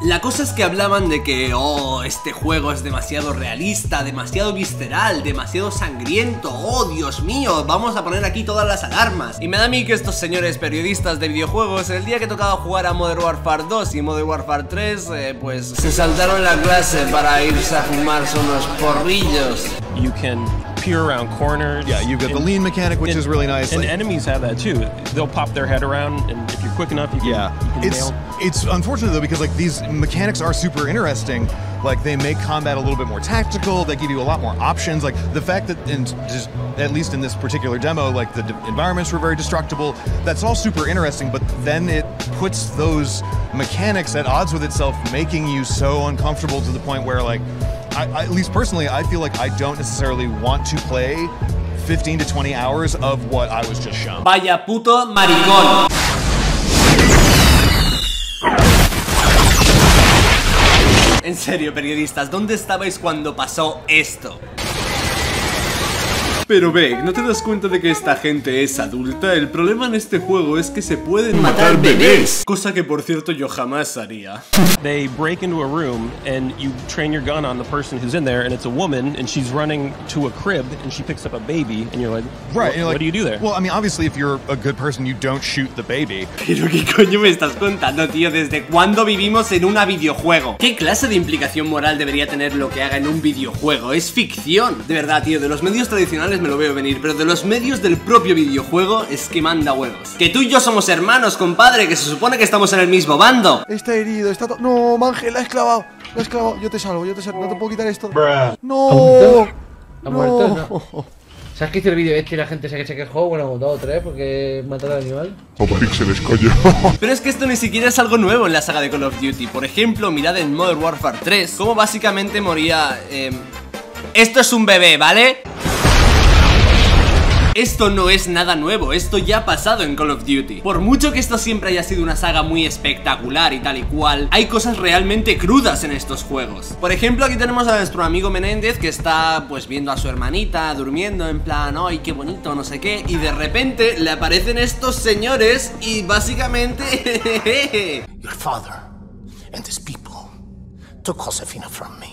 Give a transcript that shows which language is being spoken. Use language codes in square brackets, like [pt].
[es] La cosa es que hablaban de que, este juego es demasiado realista, demasiado visceral, demasiado sangriento, Dios mío, vamos a poner aquí todas las alarmas. Y me da a mí que estos señores periodistas de videojuegos, el día que tocaba jugar a Modern Warfare 2 y Modern Warfare 3, pues se saltaron la clase para irse a fumarse unos porrillos. [en] You can peer around corners. Yeah, you've got the lean mechanic, which is really nice. And enemies have that too. They'll pop their head around, and if you're quick enough, you can nail. It's unfortunate though, because like these mechanics are super interesting. Like they make combat a little bit more tactical. They give you a lot more options. Like the fact that, at least in this particular demo, like the environments were very destructible. That's all super interesting. But then it puts those mechanics at odds with itself, making you so uncomfortable to the point where, like, I, at least personally, I feel like I don't necessarily want to play 15 to 20 hours of what I was just shown. [es] Vaya puto maricón. En serio, periodistas, ¿dónde estabais cuando pasó esto? Pero Vek, ¿no te das cuenta de que esta gente es adulta? El problema en este juego es que se pueden matar bebés. Cosa que por cierto yo jamás haría. [en] They break into a room and you train your gun on the person who's in there and it's a woman and she's running to a crib and she picks up a baby and you're like, right, you're like, what do you do there? Well, I mean, obviously if you're a good person you don't shoot the baby. [es] Pero ¿qué coño me estás contando, tío? ¿Desde cuándo vivimos en una videojuego? ¿Qué clase de implicación moral debería tener lo que haga en un videojuego? Es ficción. De verdad, tío, de los medios tradicionales me lo veo venir, pero de los medios del propio videojuego es que manda huevos. Que tú y yo somos hermanos, compadre, que se supone que estamos en el mismo bando. Está herido, está todo. No, Mangel, la ha esclavado. La ha esclavado. Yo te salvo. No te puedo quitar esto. No. ¿Ha muerto? No. ¿Sabes qué hizo el vídeo este y la gente se quejó? Bueno, dos o tres, porque mataron al animal. Píxeles, coño. Pero es que esto ni siquiera es algo nuevo en la saga de Call of Duty. Por ejemplo, mirad en Modern Warfare 3 cómo básicamente moría. Esto es un bebé, ¿vale? Esto no es nada nuevo, esto ya ha pasado en Call of Duty. Por mucho que esto siempre haya sido una saga muy espectacular y tal y cual, hay cosas realmente crudas en estos juegos. Por ejemplo, aquí tenemos a nuestro amigo Menéndez que está pues viendo a su hermanita durmiendo en plan, ay, qué bonito, no sé qué, y de repente le aparecen estos señores y básicamente [en] your father and these people took Josefina from me.